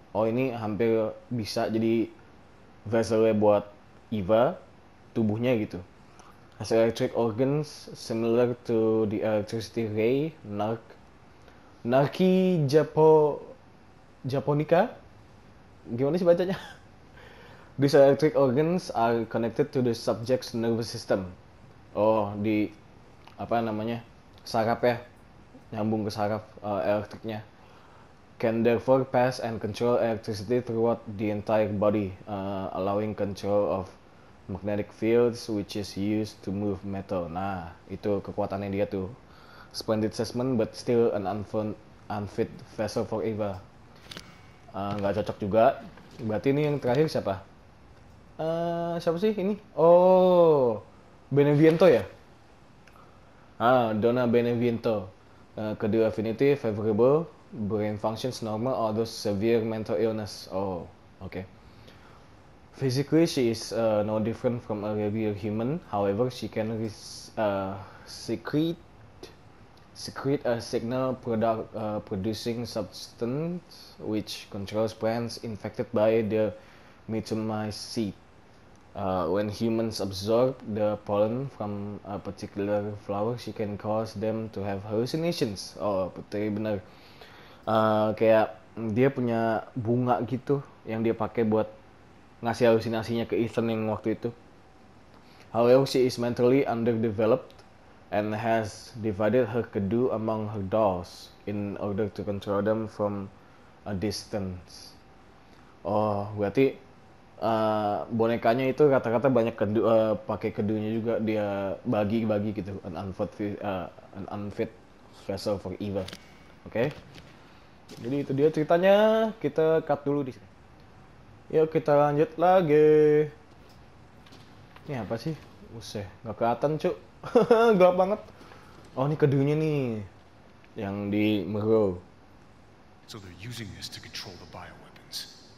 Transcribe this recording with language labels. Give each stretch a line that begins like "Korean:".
Indonesian: Oh, ini hampir bisa jadi vessel-nya buat Eva, tubuhnya gitu.
English: Has electric organs similar to the electricity ray Nark.
Indonesian: Narki Japo Japonica? Gimana sih bacanya?
English: These electric organs are connected to the subject's nervous system.
Indonesian: Oh, di apa namanya? Saraf ya. Nyambung ke saraf elektriknya.
English: Can therefore pass and control electricity throughout the entire body, allowing control of magnetic fields which is used to move metal.
Indonesian: Nah, itu kekuatannya dia tuh.
English: Splendid assessment but still an unfit vessel for Eva.
Indonesian: Nggak cocok juga. Berarti ini yang terakhir siapa? Siapa sih ini? Oh, Beneviento ya?
English: Ah, Donna Beneviento. Kedua affinity, favorable, brain functions normal, although severe mental illness. Oh, okay. Physically, she is no different from a regular human. However, she can secrete a signal producing substance which controls plants infected by the mitomycete seed. When humans absorb the pollen from a particular flower, she can cause them to have hallucinations.
Indonesian: Oh, betul, benar. Kayak dia punya bunga gitu yang dia pakai buat ngasih halusinasinya ke Ethan yang waktu itu.
English: However, she is mentally underdeveloped and has divided her kedu among her dolls in order to control them from a distance.
Indonesian: Oh, berarti bonekanya itu kata-kata banyak kedu, pakai kedunya juga dia bagi-bagi gitu.
English: An unfit vessel for Eva. Oke. Okay?
Indonesian: Jadi itu dia ceritanya. Kita cut dulu di sini. Yuk kita lanjut lagi. Ini apa sih? Useh, nggak kelihatan cuk. Gelap banget. Oh, ini kedunya nih yang di Merau.
English: So they're using this to control the bioweapons.